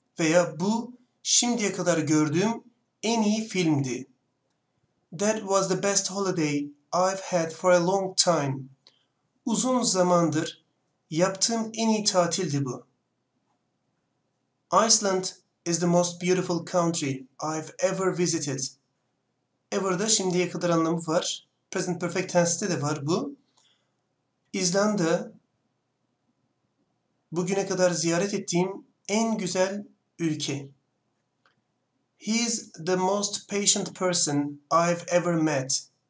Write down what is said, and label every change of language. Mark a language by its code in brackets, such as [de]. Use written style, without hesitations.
[tr] Veya bu şimdiye kadar gördüğüm en iyi filmdi. [en] That was the best holiday I've had for a long time. [tr] Uzun zamandır yaptığım en iyi tatildi bu. [en] Iceland is the most beautiful country I've ever visited. [tr] Ever'da şimdiye kadar anlamı var. Present perfect tense'te de var bu. İzlanda bugüne kadar ziyaret ettiğim en güzel ülke. [en] He's the most patient person I've ever met.